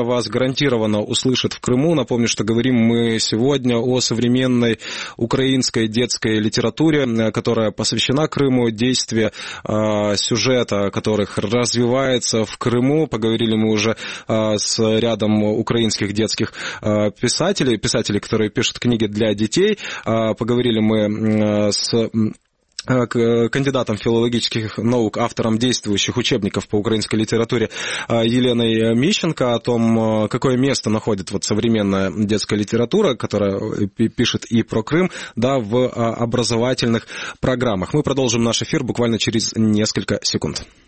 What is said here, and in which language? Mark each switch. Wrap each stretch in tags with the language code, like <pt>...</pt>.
<ru>Вас гарантированно услышат в Крыму. Напомню, что говорим мы сегодня о современной украинской</ru> <uk>українській дитячій літературі, яка посвящена Криму, дії, сюжети, які розвиваються в Криму. Поговорили ми вже з рядом українських дитячих писателів, писателів, які пишуть книги для дітей. Поговорили ми з</uk> <ru>кандидатом филологических наук, автором действующих учебников по украинской литературе Еленой Мищенко о том, какое место находит вот современная детская литература, которая пишет и про Крым, да, в образовательных программах. Мы продолжим наш эфир буквально через несколько секунд.</ru>